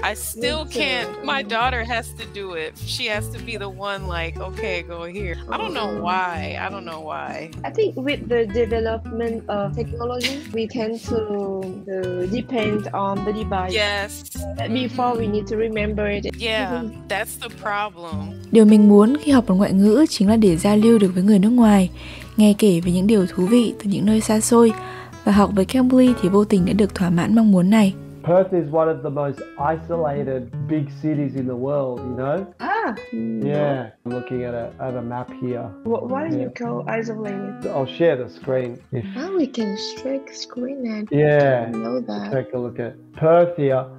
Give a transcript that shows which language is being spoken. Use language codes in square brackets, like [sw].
[en] I still can't. My daughter has to do it. She has to be the one like, okay, go here. I don't know why. I think with the development of technology, we tend to depend on the device. Yes. Before we need to remember it. Yeah, that's the problem. [vi] Điều mình muốn khi học một ngoại ngữ chính là để giao lưu được với người nước ngoài. nghe kể về những điều thú vị từ những nơi xa xôi, và học với Cambly thì vô tình đã được thỏa mãn mong muốn này. [en] Perth is one of the most isolated big cities in the world, you know? Ah! Yeah, no. I'm looking at a map here. Why do you call isolated? I'll share the screen. If... Oh, we can share screen and know that. Take a look at Perth here.